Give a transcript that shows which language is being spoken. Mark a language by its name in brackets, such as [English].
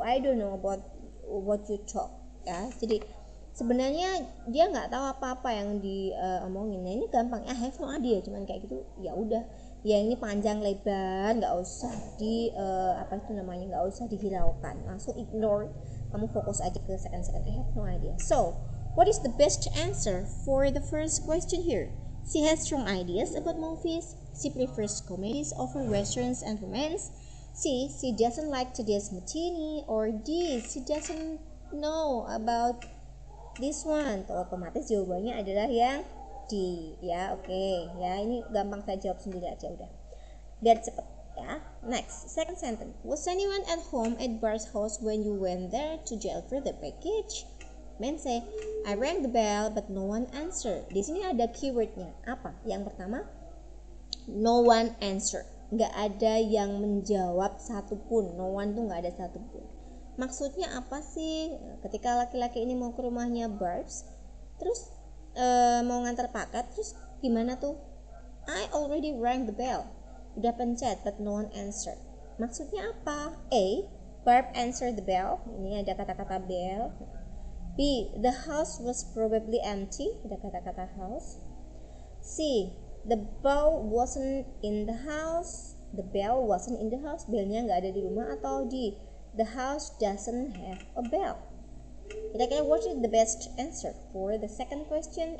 [English] I don't know about what you talk. [Indonesian] Ya, jadi sebenarnya dia nggak tahu apa-apa yang diomongin. Nah ini gampang. [English] I have no idea. [Indonesian] Cuman kayak gitu. Ya udah. Ya ini panjang lebar. Nggak usah di apa itu namanya? Nggak usah dihiraukan. Langsung ignore. Kamu fokus aja ke second. [English] I have no idea. So, what is the best answer for the first question here? She has strong ideas about movies. She prefers comedies over westerns and romance. She doesn't like today's martini. Or D, she doesn't know about this one. [Indonesian] Tuh, otomatis jawabannya adalah yang D. Ya, oke. Okay. Ya, ini gampang saya jawab sendiri aja udah. Biar cepet. Ya. [English] Next, second sentence. Was anyone at home at Bart's house when you went there to deliver the package? Men say, I rang the bell but no one answered. [Indonesian] Di sini ada keywordnya. Apa? Yang pertama, [English] no one answered. [Indonesian] Gak ada yang menjawab satupun. [English] No one [Indonesian] tuh gak ada satupun. Maksudnya apa sih? Ketika laki-laki ini mau ke rumahnya Barbs, terus mau ngantar paket, terus gimana tuh? [English] I already rang the bell. [Indonesian] Udah pencet, [English] but no one answered. [Indonesian] Maksudnya apa? [English] A, Barb answered the bell. [Indonesian] Ini ada kata-kata bell. [English] B, the house was probably empty. [Indonesian] Ada kata-kata house. [English] C, the bell wasn't in the house. The bell wasn't in the house. [Indonesian] Bellnya nggak ada di rumah. [English] Atau D, the house doesn't have a bell. Kira-kira what is the best answer for the second question?